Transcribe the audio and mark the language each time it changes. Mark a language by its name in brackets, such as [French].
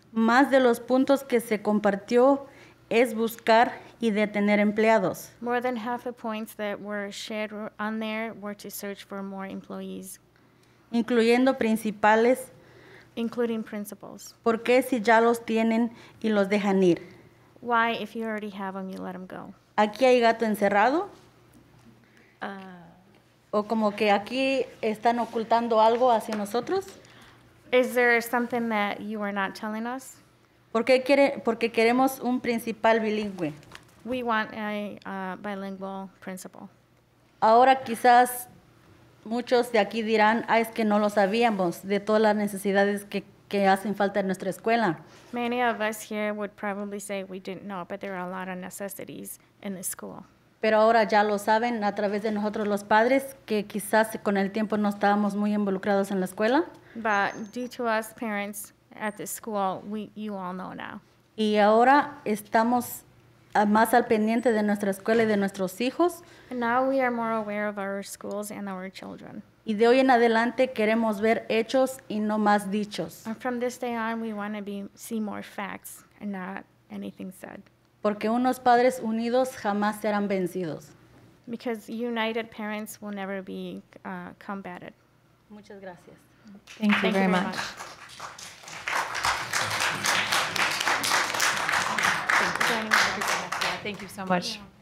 [Spanish] más de los puntos que se compartió es buscar y detener empleados. [English] More than half the points that were shared on there were to search for more employees. [Spanish] Incluyendo principales. [English] Including principals. [Spanish] ¿Por qué si ya los tienen y los dejan ir? [English] Why, if you already have them, you let them go? [Spanish] ¿Aquí hay gato encerrado? ¿O como que aquí están ocultando algo hacia nosotros? [English] Is there something that you are not telling us? [Spanish] Porque queremos un principal bilingüe. [English] We want a bilingual principal. [Spanish] Ahora quizás muchos de aquí dirán, ah, es que no lo sabíamos de todas las necesidades que hacen falta en nuestra escuela. [English] Many of us here would probably say we didn't know, but there are a lot of necessities in the school. [Spanish] Pero ahora ya lo saben a través de nosotros los padres, que quizás con el tiempo no estábamos muy involucrados en la escuela. [English] But due to us parents at the school, you all know now. [Spanish] Y ahora estamos más al pendiente de nuestra escuela y de nuestros hijos. [English] And now we are more aware of our schools and our children. [Spanish] Y de hoy en adelante queremos ver hechos y no más dichos. [English] And from this day on, we want to see more facts and not anything said. [Spanish] Porque unos padres unidos jamás serán vencidos. [English] Because united parents will never be combated. [Spanish] Muchas gracias. [English] Thank you very much. Thank you so much.